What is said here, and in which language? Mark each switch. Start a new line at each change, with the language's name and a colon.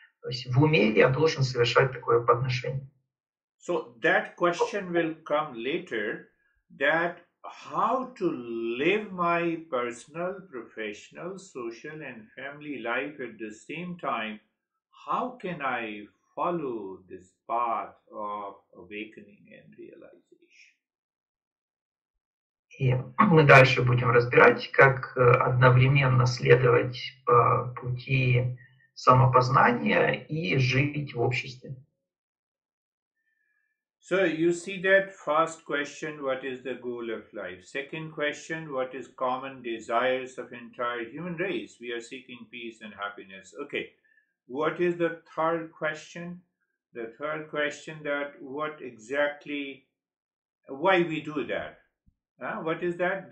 Russian: То есть в уме я должен совершать такое подношение.
English: So that question will come later, that how to live my personal, professional, social and family life at the same time, how can I follow this path of awakening and realization?
Russian: И мы дальше будем разбирать, как одновременно следовать по пути самопознания и жить в обществе.
English: So you see that first question, what is the goal of life? Second question, what is common desires of entire human race? We are seeking peace and happiness. Okay, what is the third question? The third question that what exactly, why we do that? What is that?